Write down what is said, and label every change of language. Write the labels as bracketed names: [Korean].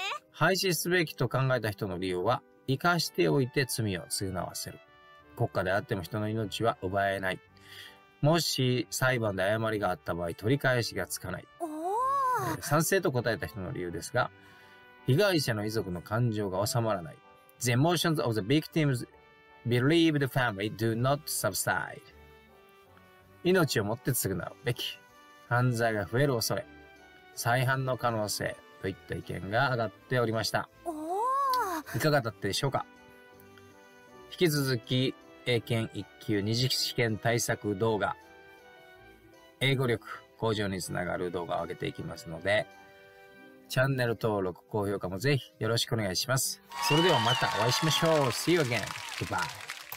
[Japanese] 廃止すべきと考えた人の理由は、生かしておいて罪を償わせる、国家であっても人の命は奪えない。もし裁判で誤りがあった場合、取り返しがつかない。賛成と答えた人の理由ですが、被害者の遺族の感情が収まらない。 [English] The emotions of the victims believe the family do not subside. [Japanese] 命をもって償うべき。犯罪が増える恐れ。再犯の可能性といった意見が上がっておりました。いかがだったでしょうか。引き続き英検一級二次試験対策動画、英語力向上につながる動画を上げていきますので、チャンネル登録高評価もぜひよろしくお願いします。それではまたお会いしましょう。 [English] See you again. Goodbye.